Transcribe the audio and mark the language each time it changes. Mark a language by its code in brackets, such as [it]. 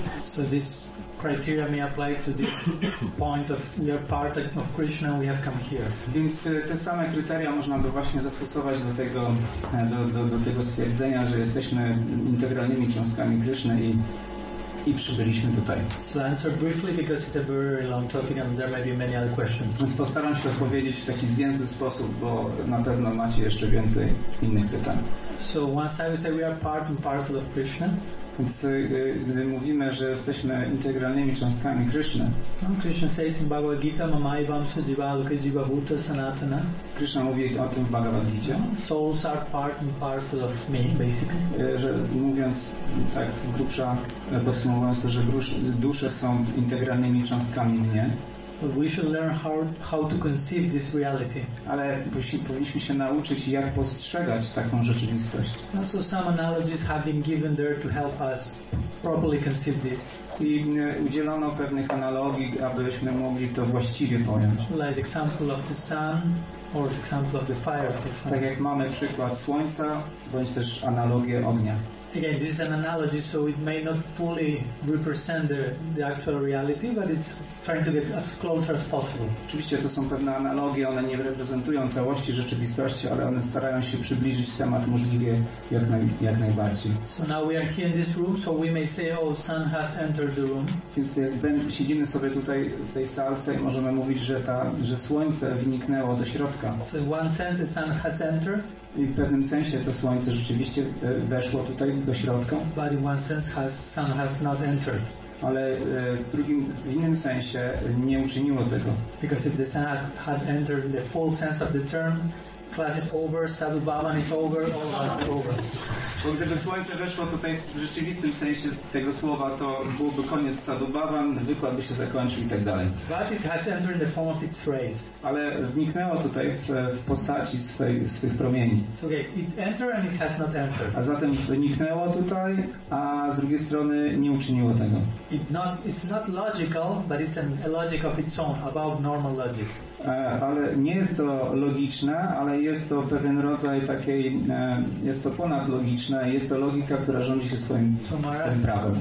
[en] So this criteria may apply to this point of we are part of Krishna and we have come here. [pl] Więc te same kryteria można by właśnie zastosować do tego stwierdzenia, że jesteśmy integralnymi cząstkami Krishna i przybyliśmy tutaj. [en] So answer briefly because it's a very long topic and there may be many other questions. [pl] Więc postaram się odpowiedzieć w taki zwięzły sposób, bo na pewno macie jeszcze więcej innych pytań. [en] So one side we say we are part and parcel of Krishna. [pl] Więc gdy mówimy, że jesteśmy integralnymi cząstkami Krishna. [en] Krishna says in Bhagavad Gita, [sa] Mamai Vamsa Jiva Aluka Jiva Bhuta Sanatana. [pl] Krishna mówi o tym w Bhagavad Gita. [en] Souls are part and parcel of me, basically. [pl] Że mówiąc tak z grubsza, podsumowując to, że dusze są integralnymi cząstkami mnie. [en] But we should learn how to conceive this reality. [pl] Ale powinniśmy się nauczyć, jak postrzegać taką rzeczywistość. [en] So some analogies have been given there to help us properly conceive this. [pl] I udzielono pewnych analogii, abyśmy mogli to właściwie pojąć. [en] Like example of the sun or the example of the fire. [pl] Tak jak mamy przykład słońca, bądź też analogię ognia. [en] Again, this is an analogy, so it may not fully represent the actual reality, but it's trying to get as close as possible. [pl] Oczywiście to są pewne analogie, one nie reprezentują całości rzeczywistości, ale one starają się przybliżyć temat możliwie jak najbardziej. [en] So now we are here in this room, so we may say, oh, sun has entered the room. [pl] Więc siedzimy sobie tutaj w tej salce i możemy mówić, że słońce wniknęło do środka. [en] So in one sense, the sun has entered. [pl] I w pewnym sensie to słońce rzeczywiście weszło tutaj do środka. [en] But in one sense sun has not entered. [pl] Ale w innym sensie nie uczyniło tego. [en] Because if the sun had entered the full sense of the term, class is over, Sadhu Bhavan is over, all has been over. [pl] Bo gdyby słońce weszło tutaj w rzeczywistym sensie tego słowa, to byłby koniec Sadhu Bhavan, wykład by się zakończył i tak dalej. [en] But it has entered the form of its rays. [pl] Ale wniknęło tutaj w postaci swych promieni. [en] Okay, it entered and it has not entered. [pl] A zatem wniknęło tutaj, a z drugiej strony nie uczyniło tego. [en] It's not logical, but it's a logic of its own, above normal logic. [pl] Ale nie jest to logiczne, ale jest to pewien rodzaj takiej, jest to ponad logiczne, jest to logika, która rządzi się swoim prawem.